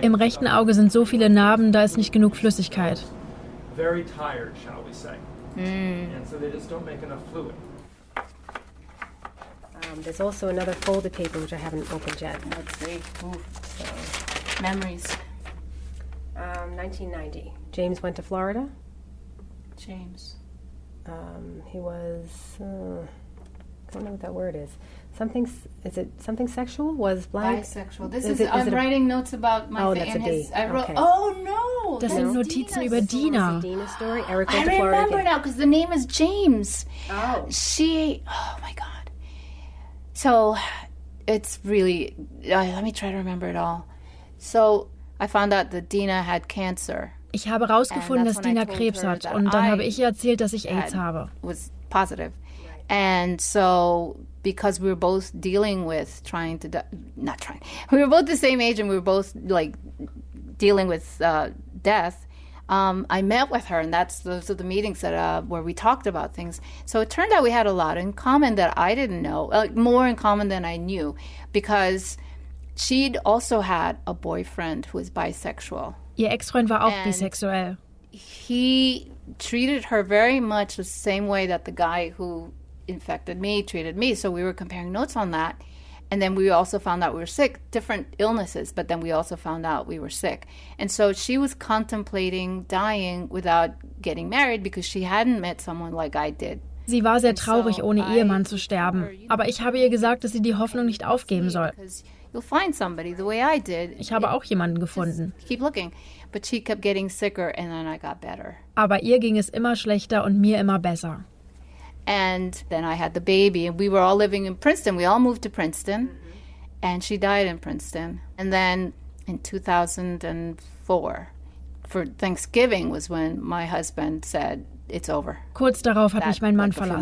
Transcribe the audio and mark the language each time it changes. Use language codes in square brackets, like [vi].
[de] Im rechten Auge sind so viele Narben, da ist nicht genug Flüssigkeit. [en] Very tired, shall we say. Mm. And so they just don't make enough fluid. There's also another folded paper which I haven't opened yet. Let's see. Ooh, so. Memories. 1990. James went to Florida. James. He was. I don't know what that word is. Something, is it something sexual? Was black? Bisexual. I'm writing notes about my family. Oh, that's a D. I wrote, okay. Oh, no. [de] Das sind Notizen über Dina. [en] Is Dina story? Eric went I to remember Florida. Now, because the name is James. Oh. She, oh, my God. So, it's really, let me try to remember it all. So, I found out that Dina had cancer. [de] Ich habe herausgefunden, dass Dina Krebs hat. Und dann habe ich ihr erzählt, dass ich AIDS habe. [en] Was positive. And so, because we were both dealing with trying to die, not trying, we were both the same age and we were both, like, dealing with death, I met with her, and those are the meetings that where we talked about things. So it turned out we had a lot in common that I didn't know, like more in common than I knew, because she'd also had a boyfriend who was bisexual. [de] Ihr Ex-Freund war auch bisexuell. [en] He treated her very much the same way that the guy who infected me treated me. So we were comparing notes on that. And then we also found out we were sick, different illnesses, but then we also found out we were sick. And so she was contemplating dying without getting married because she hadn't met someone like I did. [de] Sie war sehr traurig, ohne Ehemann zu sterben. Aber ich habe ihr gesagt, dass sie die Hoffnung nicht aufgeben soll. [en] You'll find somebody the way I did. [de] Ich habe auch jemanden gefunden. [en] Just keep looking. But she kept getting sicker and then I got better. [de] Aber ihr ging es immer schlechter und mir immer besser. [en] And then I had the baby and we were all living in Princeton. We all moved to Princeton. Mm-hmm. And she died in Princeton. And then in 2004 for Thanksgiving was when my husband said it's over. [de] Kurz darauf hat mich mein Mann verlassen.